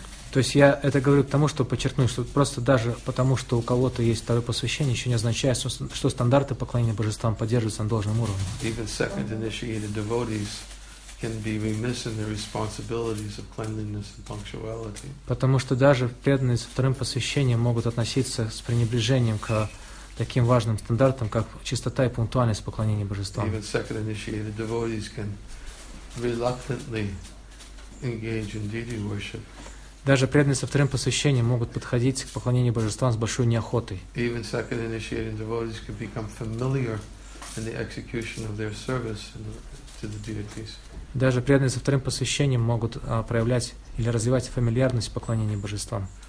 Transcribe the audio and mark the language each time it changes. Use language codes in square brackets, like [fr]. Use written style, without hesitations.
[ru] То есть я это говорю к тому, чтобы подчеркнуть, что просто даже потому, что у кого-то есть второе посвящение, еще не означает, что стандарты поклонения божествам поддерживаются на должном уровне. [en] Even second initiated devotees can be remiss in their responsibilities of cleanliness and punctuality. [ru] Потому что даже преданные со вторым посвящением могут относиться с пренебрежением к таким важным стандартам, как чистота и пунктуальность поклонения божествам. [en] Even second initiated devotees can reluctantly engage in deity worship. [ru] Даже преданные со вторым посвящением могут подходить к поклонению божествам с большой неохотой. [en] Even second initiated devotees can become familiar in the execution of their service to the deities. [ru] Даже преданные со вторым посвящением могут проявлять или развивать фамильярность в поклонении божествам.